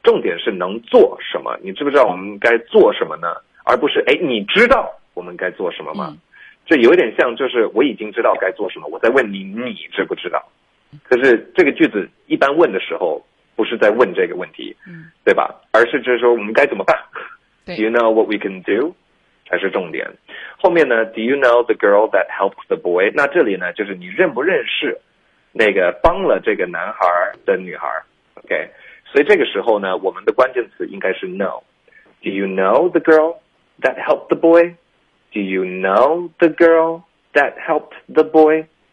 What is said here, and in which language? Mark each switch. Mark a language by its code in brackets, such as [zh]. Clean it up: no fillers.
[zh] 重点是能做什么，你知不知道我们该做什么呢，而不是哎，你知道我们该做什么吗？这有点像就是我已经知道该做什么，我在问你，你知不知道。可是这个句子一般问的时候不是在问这个问题，对吧，而是就是说我们该怎么办。 [en] Do you know what we can do [zh] 才是重点。后面呢 [en] Do you know the girl that helps the boy? [zh] 那这里呢就是你认不认识那个帮了这个男孩的女孩。 OK, 所以这个时候呢我们的关键词应该是 know。 [en] Do you know the girl that helped the boy? Do you know the girl that helped the boy?